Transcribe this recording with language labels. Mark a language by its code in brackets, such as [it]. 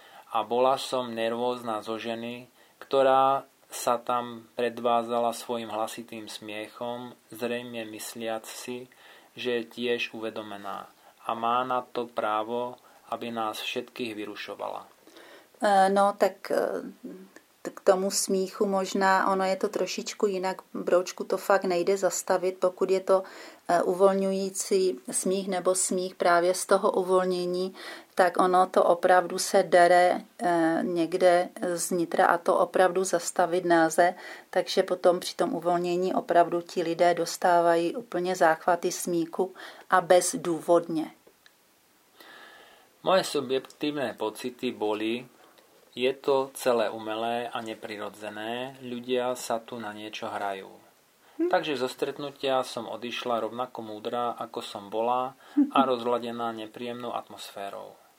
[sk] A bola som nervózna zo ženy, ktorá sa tam predvázala svojim hlasitým smiechom, zrejme mysliac si, že je tiež uvedomená a má na to právo, aby nás všetkých vyrušovala. [cs] No, tak k tomu smíchu možná, ono je to trošičku jinak, broučku to fakt nejde zastavit, pokud je to uvolňující smích nebo smích právě z toho uvolnění, tak ono to opravdu se dere někde znitra a to opravdu zastavit nelze, takže potom při tom uvolnění opravdu ti lidé dostávají úplně záchvaty smíchu a bezdůvodně. [sk] Moje subjektívne pocity boli, je to celé umelé a neprirodzené, ľudia sa tu na niečo hrajú. Takže zo stretnutia som odišla rovnako múdra, ako som bola a rozladená nepríjemnou atmosférou.